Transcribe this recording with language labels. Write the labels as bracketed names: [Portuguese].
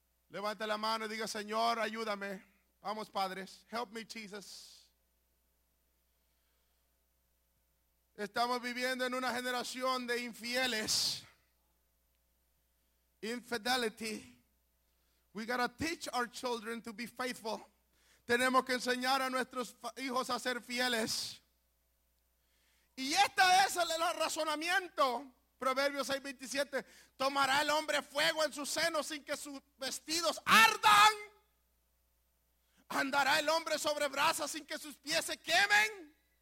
[Spanish] Levante la mano y diga, Señor, ayúdame. Vamos, padres. [English] Help me, Jesus. [Spanish] Estamos viviendo en una generación de infieles. [English] Infidelity. We gotta teach our children to be faithful. [Spanish] Tenemos que enseñar a nuestros hijos a ser fieles. Y este es el razonamiento. Proverbios 6:27. Tomará el hombre fuego en sus senos sin que sus vestidos ardan. Andará el hombre sobre brasas sin que sus pies se quemen.